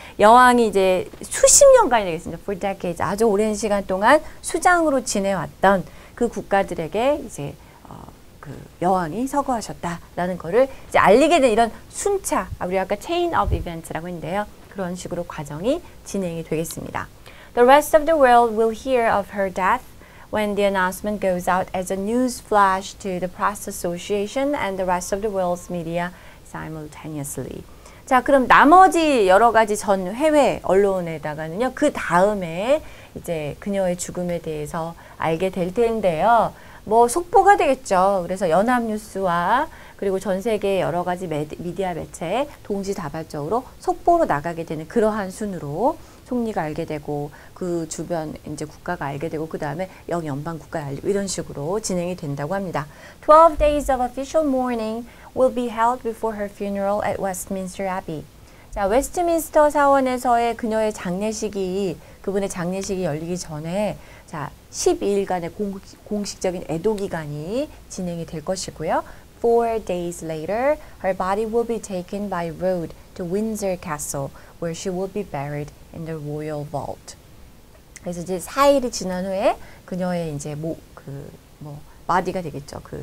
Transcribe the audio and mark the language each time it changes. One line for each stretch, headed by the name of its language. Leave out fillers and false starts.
Korean: 여왕이 이제 수십 년간이 되겠습니다.
English: For decades.
Korean: 아주 오랜 시간 동안 수장으로 지내왔던 그 국가들에게 이제 그 여왕이 서거하셨다라는 거를 이제 알리게 된 이런 순차. 우리 아까
English: chain of events
Korean: 라고 했는데요. 그런 식으로 과정이 진행이 되겠습니다.
English: The rest of the world will hear of her death when the announcement goes out as a news flash to the press association and the rest of the world's media simultaneously.
Korean: 자, 그럼 나머지 여러 가지 전 해외 언론에다가는요, 그 다음에 이제 그녀의 죽음에 대해서 알게 될 텐데요. 뭐 속보가 되겠죠. 그래서 연합뉴스와 그리고 전 세계 여러 가지 미디어 매체에 동시다발적으로 속보로 나가게 되는 그러한 순으로 총리가 알게 되고, 그 주변 이제 국가가 알게 되고, 그 다음에 영연방 국가에 알리고, 이런 식으로 진행이 된다고 합니다.
English: 12 days of official mourning will be held before her funeral at Westminster Abbey.
Korean: 자, 웨스트민스터 사원에서의 그녀의 장례식이, 그분의 장례식이 열리기 전에, 자, 12일간의 공식적인 애도 기간이 진행이 될 것이고요.
English: Four days later, her body will be taken by road to Windsor Castle, where she will be buried in the royal vault.
Korean: 그래서 이제 4일이 지난 후에 그녀의 이제 그 바디가 되겠죠.